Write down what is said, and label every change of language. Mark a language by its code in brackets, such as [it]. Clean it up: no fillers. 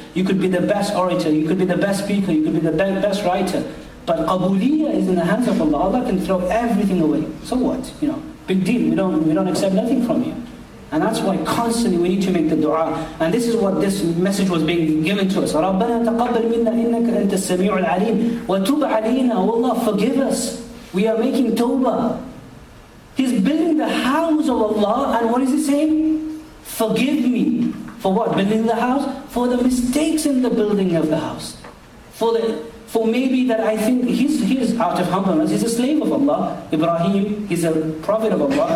[en] You could be the best orator, you could be the best speaker, you could be the best writer. But qabuliyah is in the hands of Allah. Allah can throw everything away. So what? You know, big deal. We don't accept nothing from you. And that's why constantly we need to make the dua. And this is what this message was being given to us. [ar] رَبَّنَا تَقَبَّلْ مِنَّا إِنَّكَ أَنْتَ السَّمِيعُ الْعَلِيمُ وَتُوبْ عَلَيْنَا [en] Oh Allah, forgive us. We are making tawbah. He's building the house of Allah. And what is he saying? Forgive me. For what? Building the house? For the mistakes in the building of the house. For maybe that I think he's out of humbleness. He's a slave of Allah. Ibrahim, he's a prophet of Allah.